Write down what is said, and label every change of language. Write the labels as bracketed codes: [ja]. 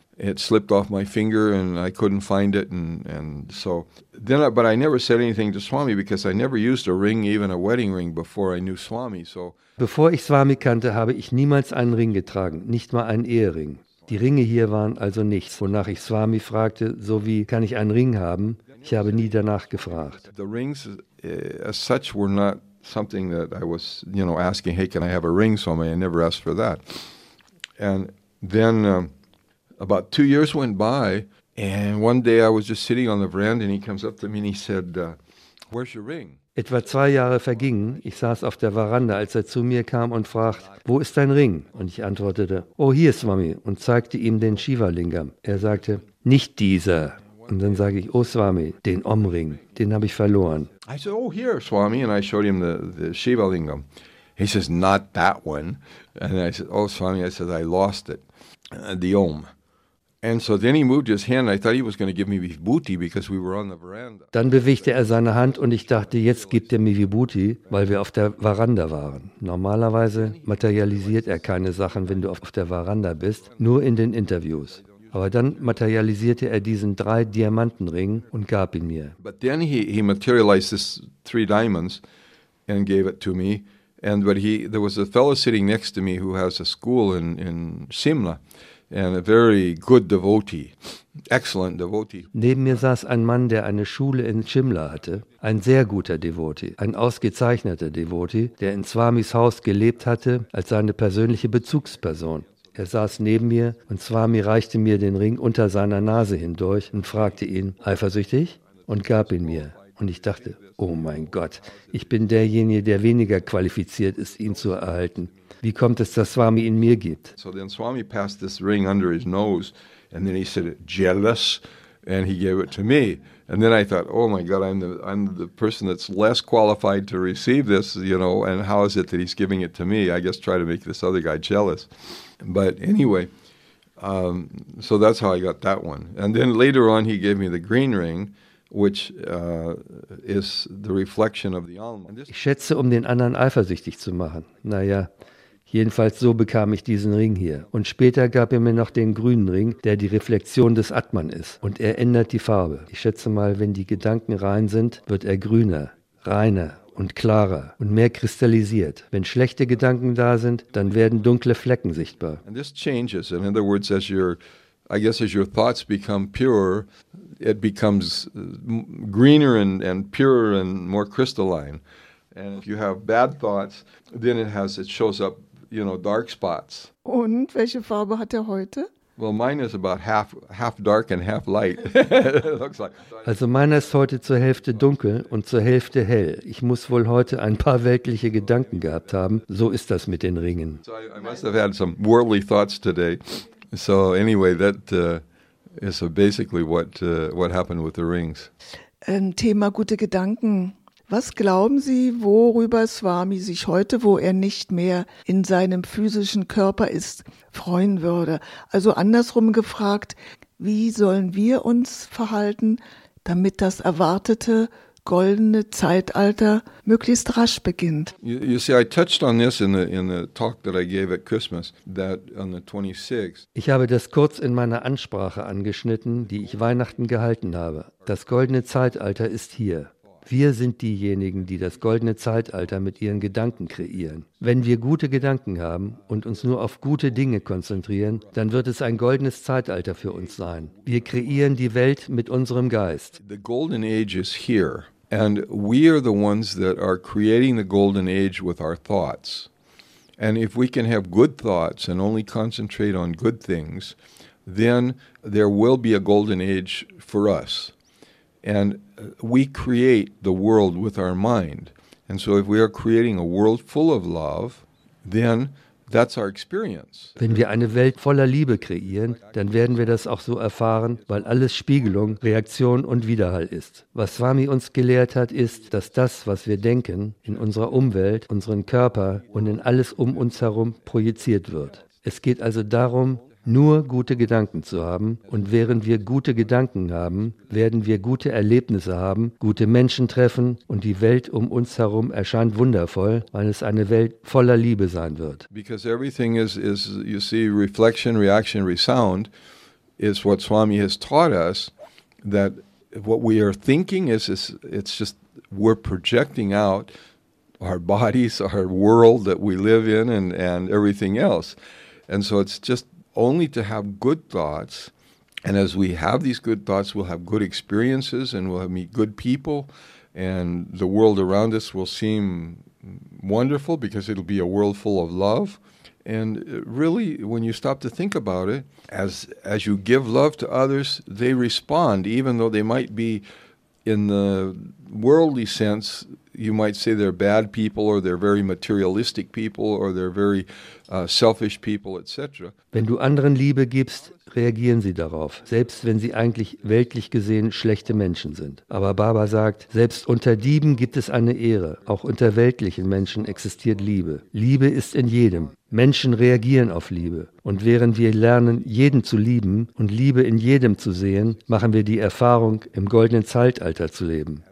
[en] It slipped off my finger and I couldn't find it. But I never said anything to Swami because I never used a ring, even a wedding ring, before I knew Swami. So, [de] bevor ich Swami kannte, habe ich niemals einen Ring getragen, nicht mal einen Ehering. Die Ringe hier waren also nichts, wonach ich Swami fragte, so wie, kann ich einen Ring haben? Ich habe nie danach gefragt. [en] The rings as such were not something that I was, you know, asking, hey, can I have a ring, Swami? I never asked for that. And then about 2 years went by, and one day I was just sitting on the veranda, and he comes up to me and he said, where's your ring? [de] Etwa 2 Jahre vergingen, ich saß auf der Veranda, als er zu mir kam und fragte, wo ist dein Ring? Und ich antwortete, oh, hier, Swami, und zeigte ihm den Shiva-Lingam. Er sagte, nicht dieser. Und dann sage ich, oh, Swami, den Om-Ring, den habe ich verloren. [en] I said, oh, here, Swami, and I showed him the Shiva-Lingam. He says, not that one. And I said, oh, Swami, I said, I lost it, the Om. And so then he moved his hand. I thought he was going to give me Vibhuti because we were on the veranda. [de] Dann bewegte er seine Hand und ich dachte, jetzt gibt er mir Vibhuti, weil wir auf der Veranda waren. Normalerweise materialisiert er keine Sachen, wenn du auf der Veranda bist, nur in den Interviews. Aber dann materialisierte er diesen 3-Diamanten-Ring und gab ihn mir. [en] But then he materialized this 3 diamonds and gave it to me. And but he there was a fellow sitting next to me who has a school in Simla. And a very good devotee, excellent devotee. [de] Neben mir saß ein Mann, der eine Schule in Shimla hatte, ein sehr guter Devotee, ein ausgezeichneter Devotee, der in Swamis Haus gelebt hatte als seine persönliche Bezugsperson. Er saß neben mir und Swami reichte mir den Ring unter seiner Nase hindurch und fragte ihn, eifersüchtig? Und gab ihn mir. Und ich dachte, oh mein Gott, ich bin derjenige, der weniger qualifiziert ist, ihn zu erhalten. Wie kommt es, dass Swami ihn mir gibt? [en] So then Swami passed this ring under his nose and then he said, jealous, and he gave it to me. And then I thought, oh my God, I'm the person that's less qualified to receive this, you know, and how is it that he's giving it to me? I guess try to make this other guy jealous. But anyway, so that's how I got that one. And then later on he gave me the green ring, which is the reflection of the alma. [de] Ich schätze, um den anderen eifersüchtig zu machen. Naja. Jedenfalls so bekam ich diesen Ring hier. Und später gab er mir noch den grünen Ring, der die Reflexion des Atman ist. Und er ändert die Farbe. Ich schätze mal, wenn die Gedanken rein sind, wird er grüner, reiner und klarer und mehr kristallisiert. Wenn schlechte Gedanken da sind, dann werden dunkle Flecken sichtbar. [en] And this changes. In other words, as your thoughts become purer, it becomes greener and purer and more crystalline. And if you have bad thoughts, then it shows up, you know, dark spots. [de] Und welche Farbe hat er heute? [en] Well, mine is about half dark and half light. It looks like. [de] Also meiner ist heute zur Hälfte dunkel und zur Hälfte hell. Ich muss wohl heute ein paar weltliche Gedanken gehabt haben. So ist das mit den Ringen. [en] So I must have had some worldly thoughts today. So anyway, that is basically what happened with the rings. [de] Thema gute Gedanken. Was glauben Sie, worüber Swami sich heute, wo er nicht mehr in seinem physischen Körper ist, freuen würde? Also andersrum gefragt, wie sollen wir uns verhalten, damit das erwartete goldene Zeitalter möglichst rasch beginnt? [en] You see, I touched on this in the talk that I gave at Christmas, that on the 26th. [de] Ich habe das kurz in meiner Ansprache angeschnitten, die ich Weihnachten gehalten habe. Das goldene Zeitalter ist hier. Wir sind diejenigen, die das goldene Zeitalter mit ihren Gedanken kreieren. Wenn wir gute Gedanken haben und uns nur auf gute Dinge konzentrieren, dann wird es ein goldenes Zeitalter für uns sein. Wir kreieren die Welt mit unserem Geist. [en] The golden age is here, and we are the ones that are creating the golden age with our thoughts. And if we can have good thoughts and only concentrate on good things, then there will be a golden age for us. And we create the world with our mind. And so if we are creating a world full of love, then That's our experience. [de] Wenn wir eine Welt voller Liebe kreieren, dann werden wir das auch so erfahren, weil alles Spiegelung, Reaktion und Widerhall ist. Was Swami uns gelehrt hat, ist, dass das, was wir denken, in unserer Umwelt, unseren Körper und in alles um uns herum projiziert wird. Es geht also darum, nur gute Gedanken zu haben. Und während wir gute Gedanken haben, werden wir gute Erlebnisse haben, gute Menschen treffen und die Welt um uns herum erscheint wundervoll, weil es eine Welt voller Liebe sein wird. [en] Because everything is, you see, reflection, reaction, resound is what Swami has taught us, that what we are thinking is it's just we're projecting out our bodies, our world that we live in and everything else. And so it's just only to have good thoughts, and as we have these good thoughts, we'll have good experiences and we'll meet good people, and the world around us will seem wonderful because it'll be a world full of love. And really, when you stop to think about it, as you give love to others, they respond, even though they might be, in the worldly sense, you might say they're bad people or they're very materialistic people or they're very selfish people, etc. [de] Wenn du anderen Liebe gibst, reagieren sie darauf, selbst wenn sie eigentlich weltlich gesehen schlechte Menschen sind. Aber Baba sagt, selbst unter Dieben gibt es eine Ehre, auch unter weltlichen Menschen existiert Liebe. Liebe ist in jedem. Menschen reagieren auf Liebe. Und während wir lernen, jeden zu lieben und Liebe in jedem zu sehen, machen wir die Erfahrung, im goldenen Zeitalter zu leben.